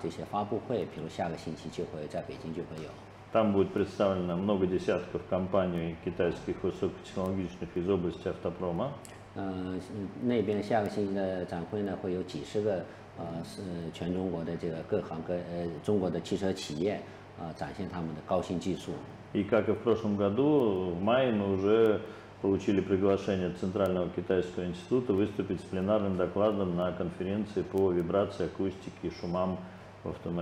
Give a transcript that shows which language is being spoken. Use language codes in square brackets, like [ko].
[zh] 当然，那个我们也会按时经常的参加一些就是论坛啊这些发布会，比如下个星期就会在北京就会有。 [ru] Там будет представлено много десятков компаний китайских высокотехнологичных из области автопрома. [zh] 那边下个星期的展会呢会有几十个全中国的这个各行各中国的汽车企业展现他们的高新技术。 [ru] И как и в прошлом году, в мае мы уже получили приглашение Центрального китайского института выступить с пленарным докладом на конференции по вибрации, акустике и шумам в